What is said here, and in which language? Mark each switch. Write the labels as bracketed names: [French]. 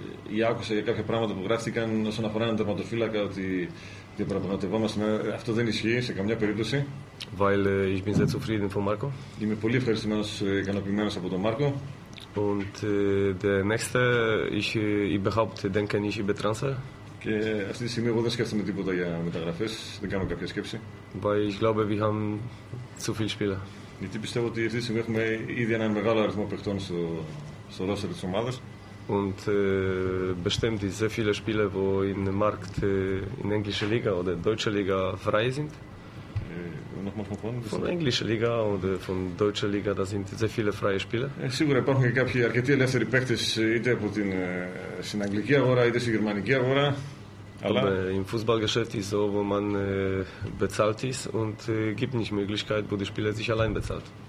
[Greek] Ή άκουσα για κάποια πράγματα που γράφτηκαν όσον αφορά έναν τερματοφύλακα ότι διαπραγματευόμαστε. Αυτό δεν ισχύει σε καμιά περίπτωση. [German] Weil ich bin sehr zufrieden von Marco. [Greek] Είμαι πολύ ευχαριστημένος, ικανοποιημένος από τον Μάρκο. [German] Und der nächste, ich überhaupt denke nicht über Transfer. [Greek] Και αυτή τη στιγμή εγώ δεν σκέφτομαι τίποτα για μεταγραφές, δεν κάνω κάποια σκέψη. [German] Weil ich glaube, wir haben zu viele Spieler. [Greek] Γιατί πιστεύω ότι αυτή τη στιγμή έχουμε ήδη έναν μεγάλο αριθμό παιχτών στο ρόστερ της ομάδας. [German] Und bestimmt sind sehr viele Spieler, wo im Markt in englischer Liga oder deutscher Liga frei sind. Nochmal von vorne? Von englischer Liga oder von deutscher Liga, da sind sehr viele freie Spieler. Sicher, es gibt auch einige [Greek] ελεύθεροι παίκτες, [English] either [Greek] από την αγγλική αγορά [German] oder [Greek] στη γερμανική αγορά. [German] Im Fußballgeschäft ist so, wo man bezahlt ist und gibt nicht Möglichkeit, wo die Spieler sich allein bezahlt.